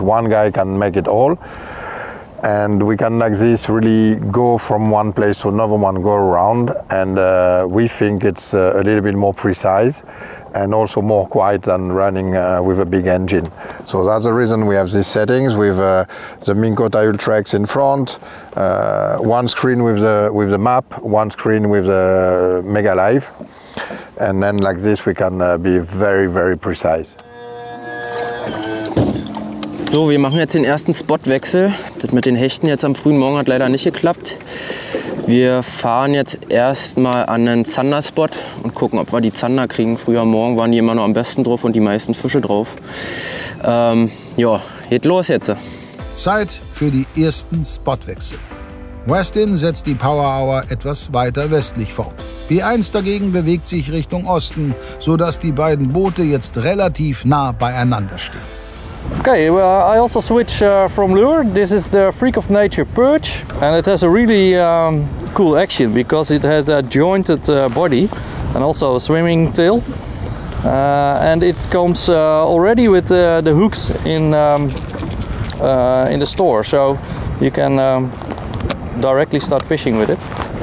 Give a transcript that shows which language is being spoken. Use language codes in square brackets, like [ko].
[en] One guy can make it all, and we can like this really go from one place to another one, go around, and we think it's a little bit more precise and also more quiet than running with a big engine. So that's the reason we have these settings with the Minn Kota Ultrax in front, one screen with the map, one screen with the Mega Live, and then like this we can be very, very precise. [de] So, wir machen jetzt den ersten Spotwechsel. Das mit den Hechten jetzt am frühen Morgen hat leider nicht geklappt. Wir fahren jetzt erstmal an einen Zander-Spot und gucken, ob wir die Zander kriegen. Früher morgen waren die immer noch am besten drauf und die meisten Fische drauf. Ja, geht los jetzt. Zeit für die ersten Spotwechsel. Westin setzt die Power Hour etwas weiter westlich fort. B1 dagegen bewegt sich Richtung Osten, sodass die beiden Boote jetzt relativ nah beieinander stehen. [en] Okay, well, I also switch from lure. This is the Freak of Nature Perch, and it has a really cool action because it has a jointed body and also a swimming tail. And it comes already with the hooks in the store, so you can directly start fishing with it.